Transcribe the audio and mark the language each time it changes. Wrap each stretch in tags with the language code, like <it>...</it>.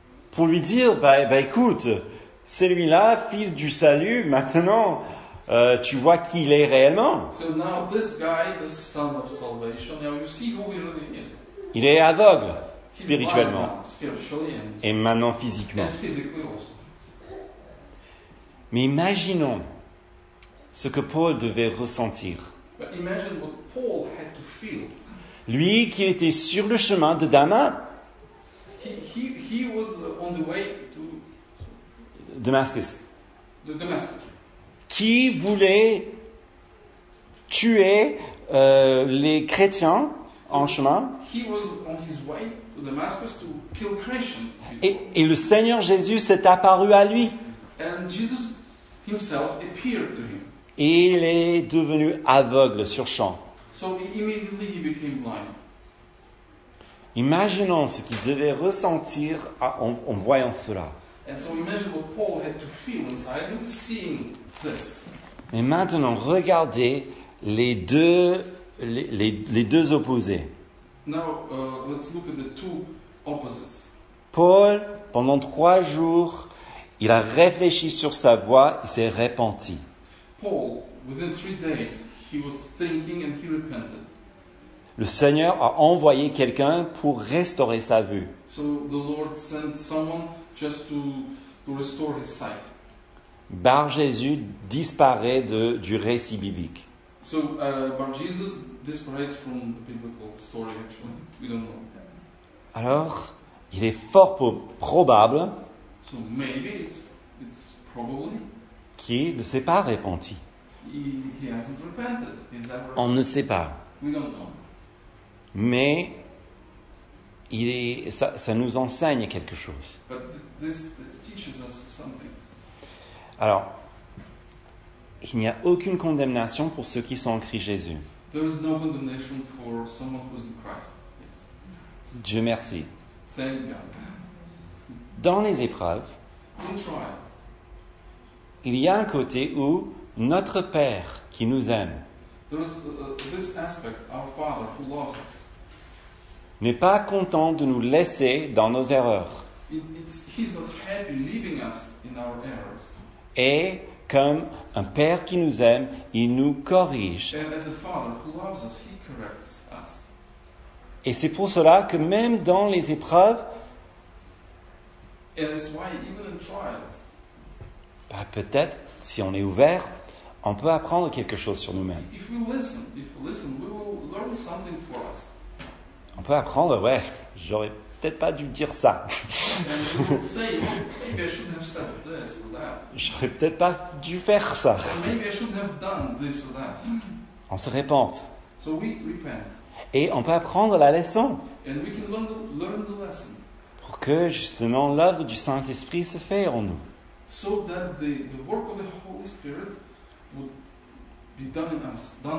<fr>Pour lui dire, écoute, celui-là, fils du salut, maintenant, tu vois qui il est réellement.</fr> <en>So now this guy, the son of salvation, now you see who he really is.</en> <fr>Il est aveugle. Spirituellement. Et maintenant physiquement.</fr> <en>And physically also.</en> <fr>Mais imaginons ce que Paul devait ressentir.</fr> <en>But imagine what Paul had to feel.</en> <fr>Lui qui était sur le chemin de Damas.</fr> <en>He was on the way to Damascus. The Damascus.</en> <fr>Qui voulait tuer les chrétiens en chemin.</fr> <en>He was on his way. Damascus to kill Christians.</en> <fr>Et le Seigneur Jésus s'est apparu à lui.</fr> <en>And Jesus himself appeared to him.</en> <fr>Et il est devenu aveugle sur champ.</fr> <en>So immediately he became blind.</en> <fr>Imaginons ce qu'il devait ressentir en voyant cela.</fr> <en>And so imagine what Paul had to feel inside him seeing this.</en> <fr>Mais maintenant, regardez les deux opposés.</fr> <en>Now, let's look at the two opposites.</en> <fr>Paul, pendant 3 jours, il a réfléchi sur sa voie, il s'est repenti.</fr> <en>Paul, within 3 days, he was thinking and he repented.</en> <fr>Le Seigneur a envoyé quelqu'un pour restaurer sa vue.</fr> <en>So the Lord sent someone just to restore his sight.</en> <fr>Bar Jésus disparaît du récit biblique.</fr> <en>So Bar Jesus disparates from the biblical story actually. We don't know.</en> <fr>Alors, il est fort probable</fr> <en>so maybe it's probably</en> <fr>qu'il ne s'est pas repenti.</fr> <en>He hasn't repented. He's ever...</en> <fr>On ne sait pas.</fr> <en>We don't know.</en> <fr>Mais ça nous enseigne quelque chose.</fr> <en>But this teaches us something.</en> <fr>Alors, il n'y a aucune condamnation pour ceux qui sont en Christ Jésus.</fr> <en>There is no condemnation for someone who is in Christ. Yes.</en> <fr>Dieu merci.</fr> <en>Thank God.</en> <fr>Dans les épreuves,</fr> <en>in trials,</en> <fr>il y a un côté où notre Père qui nous aime</fr> <en>there is this aspect, our Father who loves us.</en> <fr>N'est pas content de nous laisser dans nos erreurs.</fr> <en>He's not happy leaving us in our errors.</en> <fr>Et comme un Père qui nous aime, il nous corrige.</fr> <en>And as a Father who loves us, he corrects us.</en> <fr>Et c'est pour cela que même dans les épreuves,</fr> <en>and that's why even in trials,</en> <fr>bah peut-être, si on est ouvert, on peut apprendre quelque chose sur nous-mêmes.</fr> <en>If we listen, we will learn something for us.</en> <fr>On peut apprendre, ouais, j'aurais peut-être pas dû dire ça.</fr> <en>Say, maybe I should have said this or that.</en> <fr>J'aurais peut-être pas dû faire ça.</fr> <en>Maybe I should have done this or that.</en> <fr>On se répente.</fr> <en>So we repent.</en> <fr>Et on peut apprendre la leçon.</fr> <en>And we can learn the lesson.</en> <fr>Pour que justement l'œuvre du Saint-Esprit se fasse en nous.</fr> <en>So that the work of the Holy Spirit would be done in us.</en>